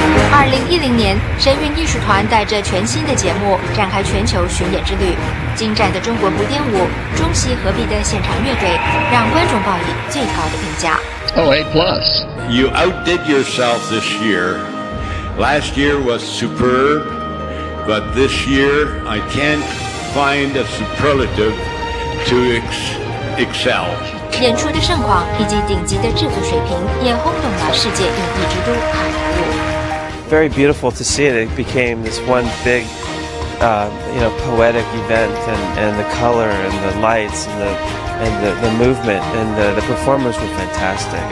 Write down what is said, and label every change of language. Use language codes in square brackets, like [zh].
[zh] 2010年，神韵艺术团带着全新的节目展开全球巡演之旅。精湛的中国古典舞、中西合璧的现场乐队，让观众报以最高的评价。 [en] Oh, A+. You outdid yourself this year. Last year was superb, but this year I can't find a superlative to excel. [zh] 演出的盛况以及顶级的制作水平，也轰动了世界影帝之都好莱坞。 [en] Very beautiful to see it. It became this one big, poetic event, and the color and the lights and the movement and the performers were fantastic.